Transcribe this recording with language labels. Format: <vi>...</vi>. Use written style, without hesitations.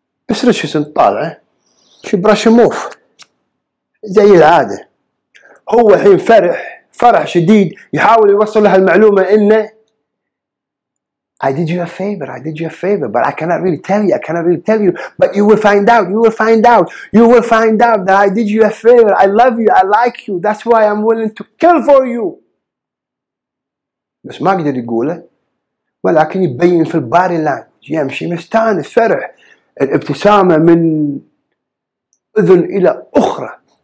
<ar>مس ريتشسون طالع في برش موف زي العادة. هو الحين فرح فرح شديد، يحاول يوصل لها المعلومة إنه</ar> <en>I did you a favor. I did you a favor, but I cannot really tell you. I cannot really tell you, but you will find out. You will find out. You will find out that I did you a favor. I love you. I like you. That's why I'm willing to kill for you.</en> <ar>بس ما قدر يقوله. ولكن يبين في الباري لانج. يمشي مستانس فرح. الابتسامة من أذن إلى أخرى.</ar>